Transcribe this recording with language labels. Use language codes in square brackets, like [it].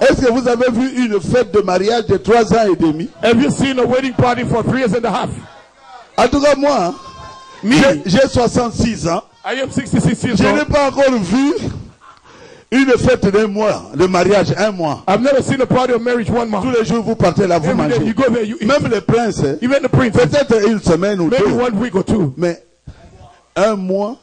[fr] Est-ce que vous avez vu une fête de mariage de 3 ans et demi? [en] Have you seen a wedding party for 3 years and a half? [fr] En tout cas, moi, j'ai 66 ans. [en] I am 66 years [fr] je [en] old. [fr] Je n'ai pas encore vu une fête d'un mois, le mariage, 1 mois. [en] I've never seen a party of marriage 1 month. [fr] Tous les jours, vous partez là, vous [en] every [fr] mangez. [en] Day, you go there, you eat. [fr] Même les princes. [en] Even the princes. [fr] Peut-être une semaine ou [en] maybe [fr] deux. [en] Maybe 1 week or two. [fr] Mais 1 mois,